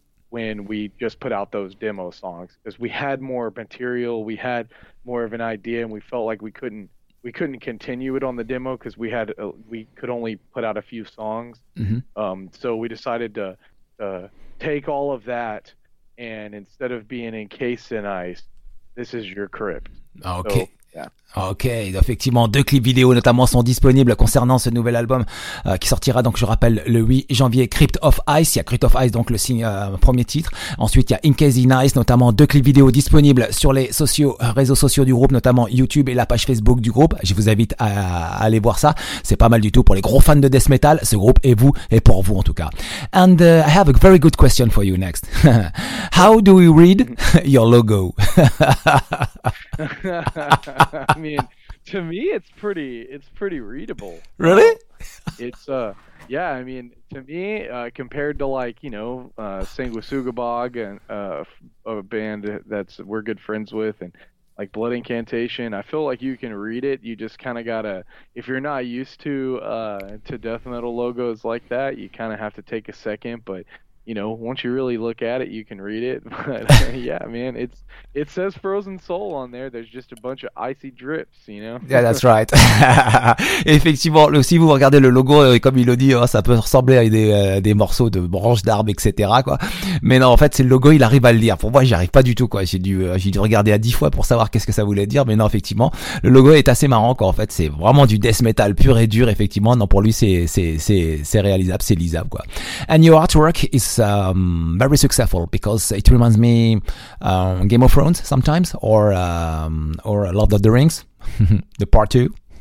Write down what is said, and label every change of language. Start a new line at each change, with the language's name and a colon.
English: When we just put out those demo songs, because we had more material, we had more of an idea, and we felt like we couldn't continue it on the demo because we could only put out a few songs. So we decided to take all of that, and instead of being Encased in Ice, this is your crypt. Okay. So,
French: Ok, effectivement, deux clips vidéo notamment sont disponibles concernant ce nouvel album qui sortira donc, je rappelle, le 8 janvier, Crypt of Ice. Il y a Crypt of Ice, donc le signe, premier titre. Ensuite, il y a Inkazy Nice, notamment deux clips vidéo disponibles sur les sociaux, réseaux sociaux du groupe, notamment YouTube et la page Facebook du groupe. Je vous invite à aller voir ça. C'est pas mal du tout pour les gros fans de death metal. Ce groupe est vous et pour vous en tout cas.
English: And I have a very good question for you next. How do we read your logo? I mean, to me, it's pretty readable. Really? I mean, to me, compared to like, you know, Sanguisugabog and a band that's we're good friends with, and like Blood Incantation, I feel like you can read it. You just kind of gotta, if you're not used to death metal logos like that, you kind of have to take a second, but. You know, once you really look at it, you can read it. But yeah, man, it says Frozen Soul on there. There's just a bunch of icy drips, you know. Yeah, that's right.
French: Effectivement, si vous regardez le logo, comme il le dit, ça peut ressembler à des morceaux de branches d'arbres, etc. Quoi. Mais non, en fait, c'est le logo. Il arrive à le lire. Pour moi, j'y arrive pas du tout. Quoi. J'ai dû regarder à 10 fois pour savoir qu'est-ce que ça voulait dire. Mais non, effectivement, le logo est assez marrant. Quoi. En fait, c'est vraiment du death metal pur et dur. Effectivement, non, pour lui, c'est réalisable, c'est lisable. Quoi.
English: And your artwork is very successful because it reminds me Game of Thrones sometimes or Lord of the Rings the part two.